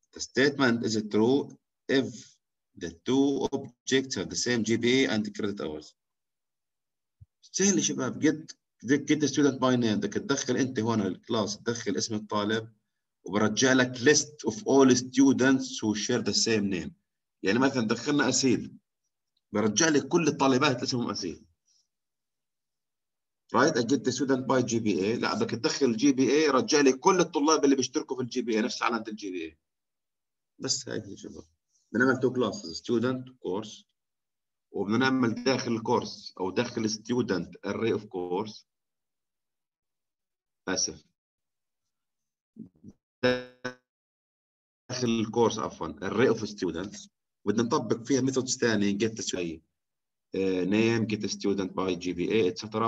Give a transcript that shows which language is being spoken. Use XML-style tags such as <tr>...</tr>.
<en>The statement is true if the two objects have the same GPA and credit hours.</en> <ar>سهل يا شباب,</ar> <en>get the student by name.</en> <ar>بدك تدخل انت هون الكلاس, تدخل اسم الطالب وبرجع لك</ar> <en>list of all students who share the same name.</en> <ar>يعني مثلا دخلنا اسيل, برجع لك كل الطالبات اسمهم اسيل.</ar> <en>Right, I get the student by GPA.</en> <ar>لا, بدك تدخل GPA, رجع لي كل الطلاب اللي بيشتركوا في GPA, نفس علامة GPA. بس هيك يا شباب. بنعمل</ar> <en>two classes, student, course.</en> <ar>وبنعمل داخل الكورس او داخل student</ar> <en>array of course.</en> <ar>اسف. داخل الكورس عفوا,</ar> <en>array of students.</en> <ar>بدنا نطبق فيها methods ثانية,</ar> <en>get the student. Name, get a student by GPA, etc.</en>